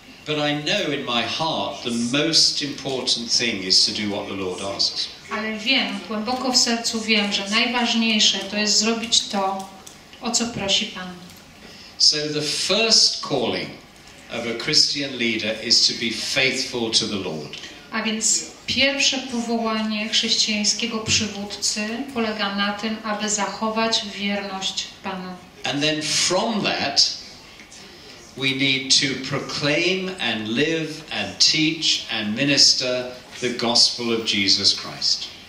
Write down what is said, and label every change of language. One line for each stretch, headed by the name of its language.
English: But I know in my heart the most important thing is to do what the Lord asks.
Polish: Ale wiem, głęboko w sercu wiem, że najważniejsze to jest zrobić to, o co prosi Pan.
English: So the first calling of a Christian leader is to be faithful to the Lord.
Polish: A więc pierwsze powołanie chrześcijańskiego przywódcy polega na tym, aby zachować wierność Panu.
English: And then from that we need to proclaim and live and teach and minister the gospel of Jesus Christ.